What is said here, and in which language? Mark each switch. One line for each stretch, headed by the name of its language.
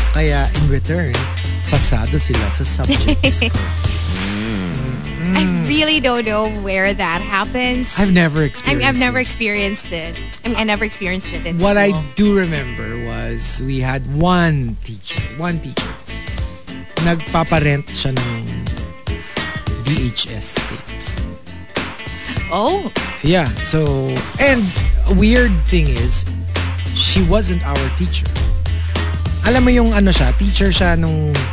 Filipino: Kaya in return, pasado sila sa subjects ko.
English: I really don't know where that happens. I've never experienced it. What I do remember was we had one teacher.
Filipino: Nagpaparent siya ng VHS tapes.
English: Oh. Yeah, so, and a weird thing is, she wasn't our teacher.
Filipino: Alam mo yung ano siya, teacher siya nung...